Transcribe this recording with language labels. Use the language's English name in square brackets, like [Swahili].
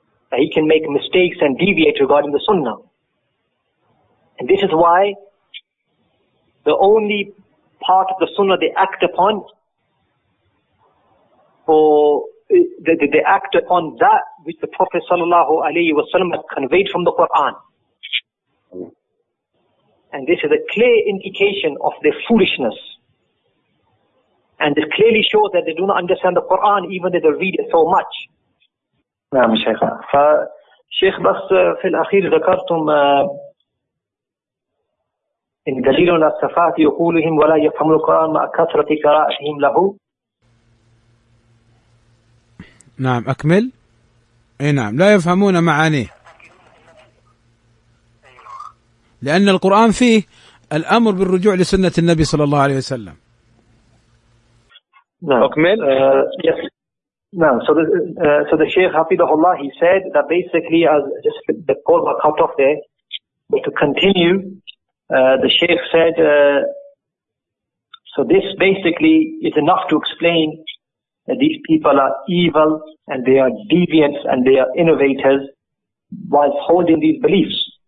[English] That he can make mistakes and deviate regarding the sunnah. And this is why the only part of the sunnah they act upon they act upon that which the Prophet sallallahu alayhi wa sallam has conveyed from the Quran. And this is a clear indication of their foolishness. And it clearly shows that they do not understand the Quran even though they read it so much. [Arabic] نعم شيخ. فشيخ بس في الأخير ذكرتم إن دليل على السفاهة يقولهم ولا يفهم القرآن مع كثرة قراءتهم له. نعم أكمل. إيه نعم، لا يفهمون معانيه، لأن القرآن فيه الأمر بالرجوع لسنة النبي صلى الله عليه وسلم. نعم. أكمل. [English] Yes. [Arabic] نعم. [English] So the Sheikh Hafidhullah Allah, he said that basically as just the call was cut off there, but to continue, the Sheikh said, so this basically is enough to explain that these people are evil and they are deviants and they are innovators whilst holding these beliefs.